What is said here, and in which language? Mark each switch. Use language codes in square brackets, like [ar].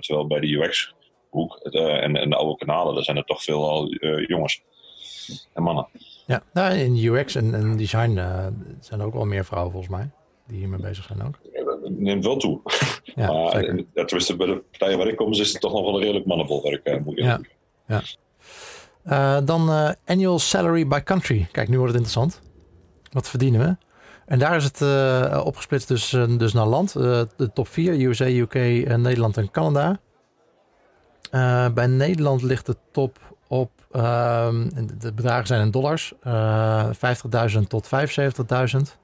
[nl] Terwijl bij de UX hoek en de oude kanalen, daar zijn er toch veel al jongens en mannen. Ja, nou, in UX en design zijn er ook wel meer vrouwen volgens mij, die hiermee bezig zijn ook. Dat neemt wel toe. Ja, maar tenminste, bij de partijen waar ik kom, is het toch nog wel een redelijk mannenbolwerk. Ja. [en] Dan annual salary by country. [nl] Kijk, nu wordt het interessant. Wat verdienen we? En daar is het opgesplitst dus naar land. De top 4, USA, UK, Nederland en Canada. Bij Nederland ligt de top op, de bedragen zijn in dollars, 50.000 tot 75.000.